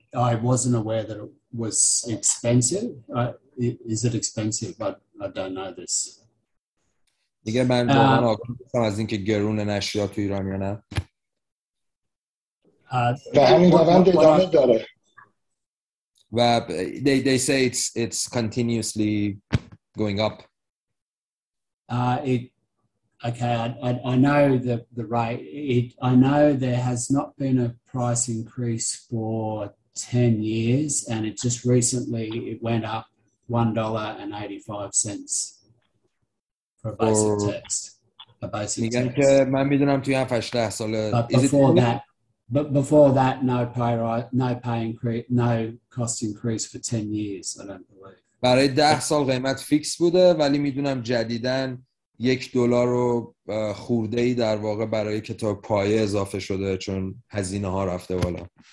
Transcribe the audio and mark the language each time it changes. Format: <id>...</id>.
<en>I wasn't aware that it was expensive. Is it expensive? I don't know this.</en> <fa>دیگه من واقعا گفتم از اینکه گرون نشیا تو ایران یا نه به همین روند ادامه داره</fa> <en>و they say it's continuously going up. I know there has not been a price increase for 10 years and it just recently it went up $1.85 for a basic text. A basic text.</en> <fa>من میدونم توی 18 سال</fa> <en>but before that no cost increase for 10 years, I don't believe.</en> <fa>برای 10 سال قیمت فیکس بوده ولی میدونم جدیداً یک دلار و خورده ای در واقع برای کتاب پایه اضافه شده چون هزینه ها رفته بالا.</fa>